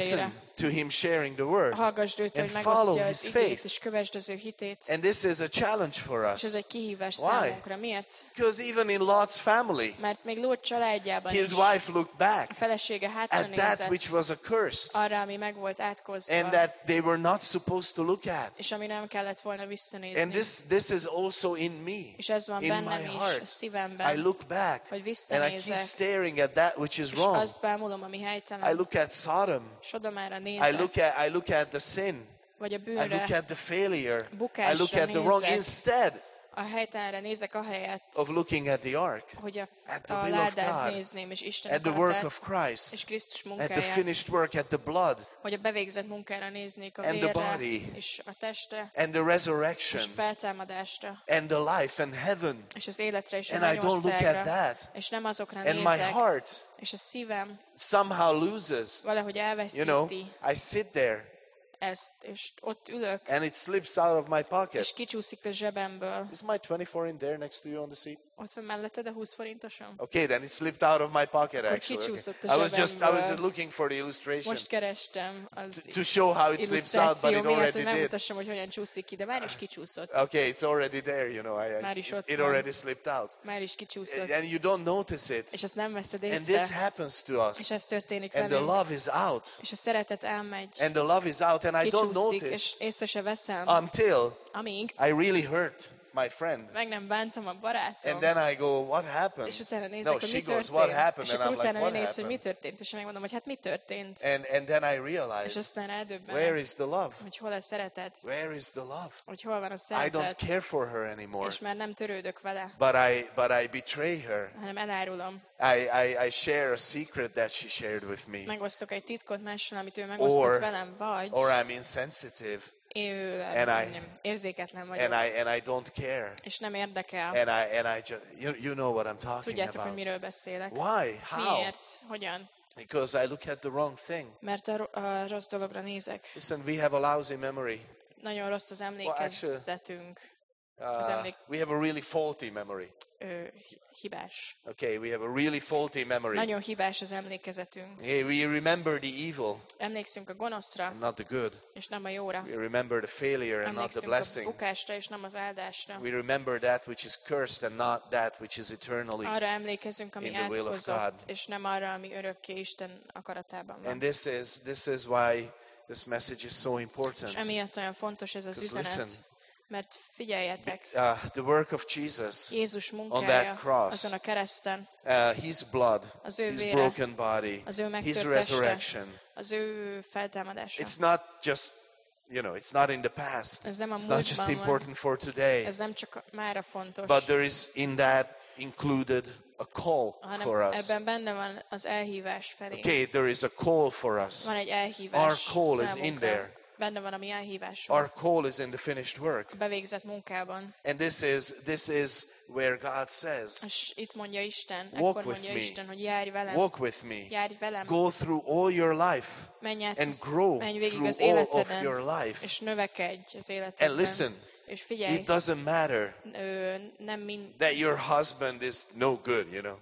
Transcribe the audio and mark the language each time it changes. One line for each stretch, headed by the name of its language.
English: Listen to him sharing the word.
Hungarian: Hallgasd őt,
English: and follow his faith.
Hungarian: És kövesd az ő hitét.
English: And this is a challenge for us.
Hungarian: És ez egy kihívás
English: why?
Hungarian: Számunkra. Miért?
English: Because even in Lot's family,
Hungarian: mert még Lot családjában
English: his wife looked back
Hungarian: a felesége hátra
English: at that which was accursed.
Hungarian: Arra, ami meg volt átkozva.
English: And that they were not supposed to look at.
Hungarian: És ami nem kellett volna visszanézni.
English: And this is also in me.
Hungarian: És ez van
English: in
Hungarian: bennem
English: my
Hungarian: is,
English: heart.
Hungarian: A szívemben.
English: I look back
Hungarian: hogy visszanézek.
English: And I keep staring at that which is wrong.
Hungarian: És azt bámulom, ami helytelen.
English: I look at Sodom.
Hungarian: Sodomára nézek.
English: I look at the sin.
Hungarian: Vagy a bűnre.
English: I look at the failure.
Hungarian: Bukásra
English: I look at
Hungarian: nézek.
English: The wrong instead.
Hungarian: A helytelenre nézek a helyet.
English: Of looking at the ark.
Hungarian: Hogy
English: at the will of God.
Hungarian: Nézném, és Isten
English: at the work of Christ.
Hungarian: És Krisztus munkáját.
English: At the finished work, at the blood.
Hungarian: Hogy a bevégzett munkára néznék, a
English: and
Hungarian: vérre.
English: The body.
Hungarian: És a testre.
English: And the resurrection.
Hungarian: És feltámadásra.
English: And the life and heaven.
Hungarian: És az életre és a
English: and I don't look at that.
Hungarian: És nem azokra
English: and
Hungarian: nézek.
English: My heart.
Hungarian: És a szívem.
English: Somehow loses.
Hungarian: Valahogy elveszíti.
English: You know, I sit there.
Hungarian: ezt, és ott ülök.
English: And it slips out of my pocket.
Hungarian: És kicsúszik a zsebemből.
English: Is my 20 forint there next to you on the seat?
Hungarian: Ott van melletted a 20 forintosom.
English: Okay, then it slipped out of my pocket actually.
Hungarian: Kicsúszott a zsebemből.
English: I was just looking for the illustration.
Hungarian: Most kerestem az
English: to show how it slips out, but it already did.
Hungarian: Miért, hogy megmutassam, hogy hogyan csúszik ki, de már is kicsúszott.
English: Okay, it's already there, you know. It already slipped out.
Hungarian: Már is kicsúszott.
English: And you don't notice it.
Hungarian: És ezt nem veszed észre.
English: And this happens to us.
Hungarian: És ez történik velünk.
English: And the love is out.
Hungarian: És a szeretet elmegy.
English: And the love is out and I don't notice.
Hungarian: És észre se veszem.
English: Until
Hungarian: amíg
English: I really hurt my friend.
Hungarian: Meg nem bántam a barátom.
English: And then I go, what happened?
Hungarian: És utána nézek, hogy
English: she
Hungarian: mi
English: goes,
Hungarian: történt?
English: What happened?
Hungarian: És utána nézek, hogy mi történt? És megmondom, hogy hát mi történt?
English: And then I realize,
Hungarian: és aztán eldöbbenek,
English: where is the love?
Hungarian: Hogy hol a szeretet?
English: Where is the love?
Hungarian: Hogy hol van a szeretet?
English: I don't care for her anymore.
Hungarian: És már nem törődök vele.
English: But I betray her.
Hungarian: Hanem elárulom.
English: I share a secret that she shared with me.
Hungarian: Megosztok egy titkot mással, amit ő megosztott velem, vagy.
English: Or I'm insensitive. And I don't care.
Hungarian: És nem érdekel.
English: And I just, you know what I'm talking
Hungarian: tudjátok, Tudjátok, miről beszélek.
English: Why? How?
Hungarian: Miért? Hogyan?
English: Because I look at the wrong thing.
Hungarian: Mert a rossz dologra nézek.
English: Listen, we have a lousy memory.
Hungarian: Nagyon rossz az emlékezetünk.
English: We have a really faulty memory.
Hungarian: Hibás.
English: Okay, we have a really faulty memory.
Hungarian: Nagyon hibás az emlékezetünk.
English: Hey, we remember the evil.
Hungarian: Emlékszünk a gonoszra.
English: Not the good.
Hungarian: És nem a jóra.
English: We remember the failure and not the blessing.
Hungarian: Emlékszünk a bukásra és nem az áldásra.
English: We remember that which is cursed and not that which is eternally.
Hungarian: Arra emlékezünk, ami eltakozott, és nem arra, ami örökké Isten akaratában van.
English: And this is why this message is so important.
Hungarian: És emiatt olyan fontos ez az üzenet.
English: Listen,
Hungarian: mert figyeljetek,
English: the work of Jesus,
Hungarian: Jézus munkája
English: on that cross,
Hungarian: azon a kereszten,
English: his blood,
Hungarian: az ő vére,
English: his broken body,
Hungarian: az ő megtört
English: his resurrection,
Hungarian: az ő feltámadása.
English: It's not just, you know, it's not in the past.
Hungarian: Ez nem a
English: it's not just important
Hungarian: van
English: for today.
Hungarian: Ez nem csak mára fontos.
English: But there is in that included a call for us.
Hungarian: Ebben benne van az elhívás felé.
English: Okay, there is a call for us.
Hungarian: Van egy elhívás.
English: Our call
Hungarian: számunkra
English: is in there.
Hungarian: Benne van a mi elhívásunk.
English: Our call is in the finished work.
Hungarian: A bevégzett munkában.
English: And this is where God says.
Hungarian: És itt mondja Isten,
English: walk
Hungarian: ekkor mondja
English: me.
Hungarian: Isten, hogy járj velem.
English: Walk with me.
Hungarian: Járj velem.
English: Go through all your life.
Hungarian: Menj át,
English: and grow
Hungarian: menj végig
English: through
Hungarian: az életeden,
English: all of your life.
Hungarian: És növekedj az életedben.
English: And listen.
Hungarian: És figyelj,
English: it doesn't matter
Hungarian: nem min-
English: that your husband is no good, you know.